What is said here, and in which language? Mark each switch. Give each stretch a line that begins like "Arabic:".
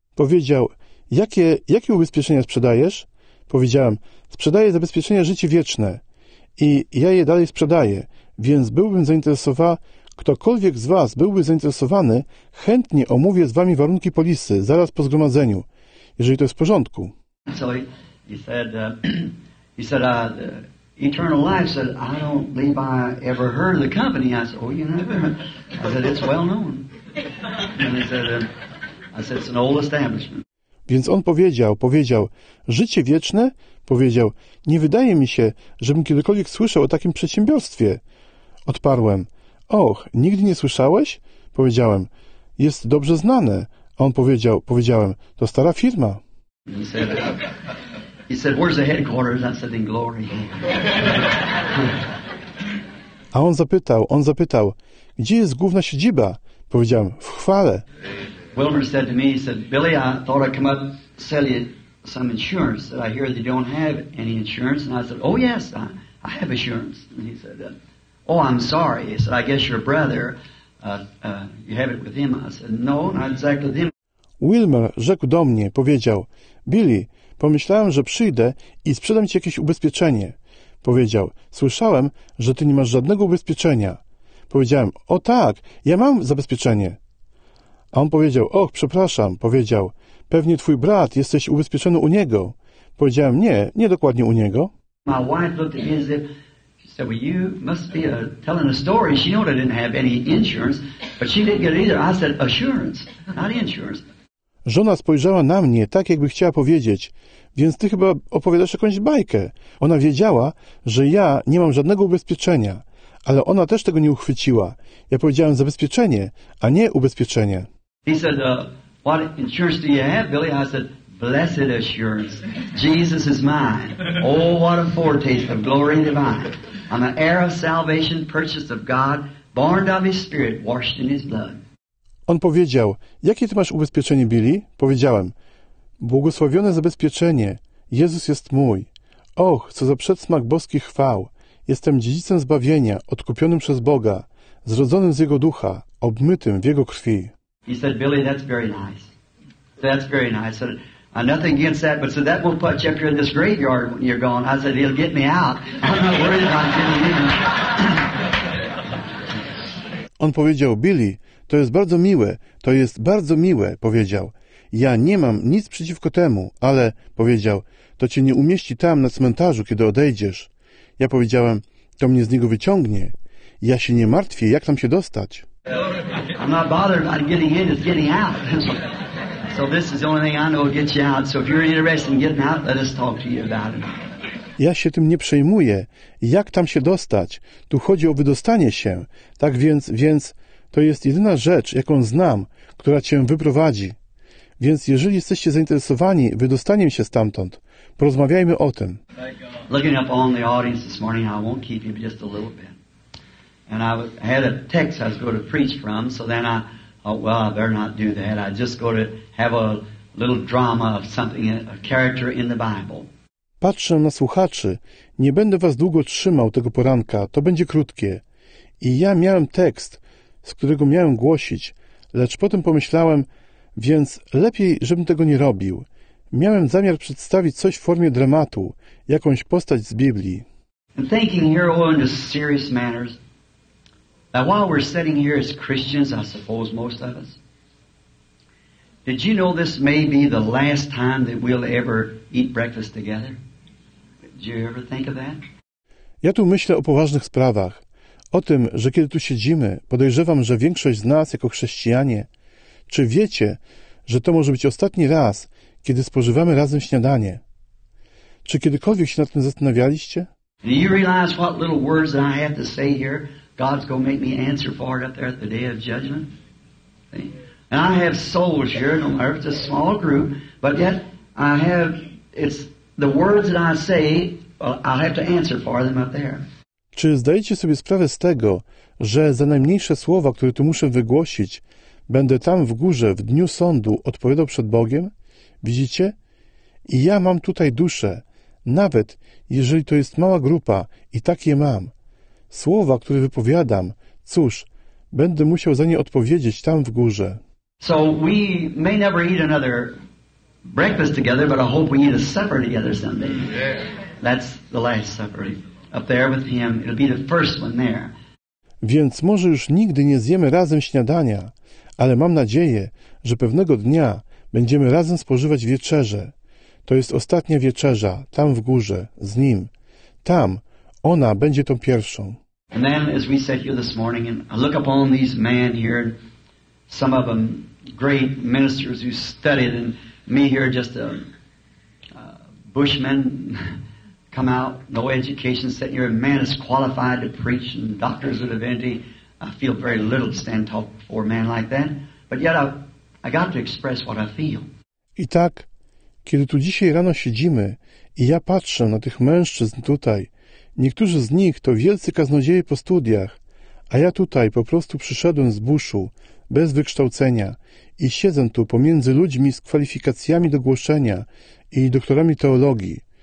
Polish: Powiedział, jakie ubezpieczenia sprzedajesz? Powiedziałem, sprzedaję zabezpieczenia życie wieczne. I ja je dalej sprzedaję, więc byłbym zainteresowany. Ktokolwiek z was byłby zainteresowany, chętnie omówię z wami warunki polisy zaraz po zgromadzeniu, jeżeli to jest w porządku.
English: So he said, eternal life, said, I don't believe I ever heard of the company. I said, oh, you never? I said, it's well known. And he said, it's an old establishment.
Polish: Więc on powiedział, życie wieczne? Powiedział, nie wydaje mi się, żebym kiedykolwiek słyszał o takim przedsiębiorstwie. Odparłem. Och, nigdy nie słyszałeś? Powiedziałem, jest dobrze znane. A on powiedziałem, to stara firma.
English: He said, where's the headquarters? I said, in glory.
Polish: A on zapytał, gdzie jest główna siedziba? Powiedziałem, w chwale.
English: Wilmer said to me, he said, Billy, I thought I'd come up and sell you some insurance. That I hear that you don't have any insurance. And I said, oh yes, I have insurance. And he said, oh, I'm sorry. He said, I guess your brother you have it with him? I said, no, not exactly with him.
Polish: Wilmer rzekł do mnie, powiedział, Billy, pomyślałem, że przyjdę i sprzedam ci jakieś ubezpieczenie. Powiedział, słyszałem, że ty nie masz żadnego ubezpieczenia. Powiedziałem, o tak, ja mam zabezpieczenie. A on powiedział, och, przepraszam, powiedział, pewnie twój brat, jesteś ubezpieczony u niego. Powiedziałem, nie, nie dokładnie u niego.
English: My wife looked at me and said, well, you must be telling a story. She knew I didn't have any insurance, but she didn't get it either. I said, assurance, not insurance.
Polish: Żona spojrzała na mnie tak, jakby chciała powiedzieć, więc ty chyba opowiadasz jakąś bajkę. Ona wiedziała, że ja nie mam żadnego ubezpieczenia, ale ona też tego nie uchwyciła. Ja powiedziałem zabezpieczenie, a nie ubezpieczenie.
English: He said, what insurance do you have, Billy? I said, blessed assurance. Jesus is mine. Oh, what a foretaste of glory divine. I'm an heir of salvation, purchased of God, born of his spirit, washed in his blood.
Polish: On powiedział, jakie ty masz ubezpieczenie, Billy? Powiedziałem, błogosławione zabezpieczenie. Jezus jest mój. Och, co za przedsmak boskich chwał. Jestem dziedzicem zbawienia, odkupionym przez Boga, zrodzonym z Jego ducha, obmytym w Jego krwi.
English: He said, Billy, that's very nice. That's very nice. I said, I'm nothing against that, but so that won't put you up here in this graveyard when you're gone. I said, he'll get me out. I'm not worried about getting in.
Polish: On powiedział, Billy, to jest bardzo miłe, to jest bardzo miłe, powiedział. Ja nie mam nic przeciwko temu, ale, powiedział, to cię nie umieści tam na cmentarzu, kiedy odejdziesz. Ja powiedziałem, to mnie z niego wyciągnie. Ja się nie martwię, jak tam się dostać.
English: I'm not bothered about getting in, it's getting out. So this is the only thing I know will get you out. So if you're interested in getting out, let us talk to you about it.
Polish: Ja się tym nie przejmuję. Jak tam się dostać? Tu chodzi o wydostanie się. Tak więc to jest jedyna rzecz, jaką znam, która cię wyprowadzi. Więc jeżeli jesteście zainteresowani wydostaniem się stamtąd, porozmawiajmy o tym.
English: Looking up on the audience this morning, I won't keep you just a little bit. And I had a text I was going to preach from, so then I thought, well, I better not do that. I just go to have a little drama of something, a character in the Bible.
Polish: Patrzę na słuchaczy. Nie będę was długo trzymał tego poranka. To będzie krótkie. I ja miałem tekst, z którego miałem głosić, lecz potem pomyślałem, więc lepiej, żebym tego nie robił. Miałem zamiar przedstawić coś w formie dramatu, jakąś postać z Biblii.
English: I'm thinking here in a serious manner. Now while we're sitting here as Christians, I suppose most of us, did you know this may be the last time that we'll ever eat breakfast together? Did you ever think of that?
Polish: Ja tu myślę o poważnych sprawach. O tym, że kiedy tu siedzimy, podejrzewam, że większość z nas jako chrześcijanie, czy wiecie, że to może być ostatni raz, kiedy spożywamy razem śniadanie? Czy kiedykolwiek się nad tym zastanawialiście?
English: Do you realize what little words that I have to say here? God's going to make me answer for it up there at the day of judgment. And I have souls here, no matter if it's a small group, but yet I have, it's the words that I say, I have to answer for them up there.
Polish: Czy zdajecie sobie sprawę z tego, że za najmniejsze słowa, które tu muszę wygłosić, będę tam w górze, w dniu sądu, odpowiadał przed Bogiem? Widzicie? I ja mam tutaj duszę, nawet jeżeli to jest mała grupa i tak je mam. Słowa, które wypowiadam, cóż, będę musiał za nie odpowiedzieć tam w górze.
English: So we may never eat another breakfast together, but I hope we eat a supper together someday. That's the last supper. Up there with him, it'll be the first one there.
Polish: Więc może już nigdy nie zjemy razem śniadania, ale mam nadzieję, że pewnego dnia będziemy razem spożywać wieczerze. To jest ostatnia wieczerza, tam w górze, z nim. Tam ona będzie tą pierwszą.
English: And then, as we sat here this morning, and I look upon these men here, some of them great ministers who studied, and me here just a bushman. Come out, no education, sitting here, a man is qualified to preach and doctors of divinity. I feel very little to stand talk before a man like that, but yet I got to express what I feel.
Polish: I tak, kiedy tu dzisiaj rano siedzimy i ja patrzę na tych mężczyzn tutaj, niektórzy z nich to wielcy kaznodzieje po studiach, a ja tutaj po prostu przyszedłem z buszu, bez wykształcenia i siedzę tu pomiędzy ludźmi z kwalifikacjami do głoszenia i doktorami teologii.